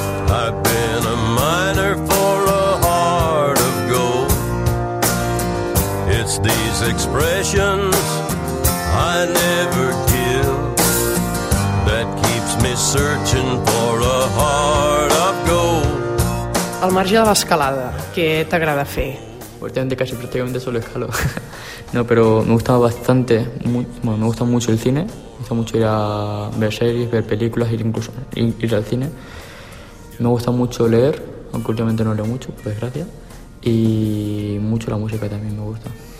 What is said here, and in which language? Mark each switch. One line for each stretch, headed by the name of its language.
English: I've been a miner for a heart of gold. It's these expressions I never give that keeps me searching for a heart of gold.
Catalan: Al marge de l'escalada, què t'agrada fer?
Spanish: Últimamente casi prácticamente solo escalo. No, pero me gusta bastante, me gusta mucho el cine. Me gusta mucho ir a ver series, ver películas, incluso ir al cine. Me gusta mucho leer, aunque últimamente no leo mucho, por desgracia. Y mucho la música también me gusta.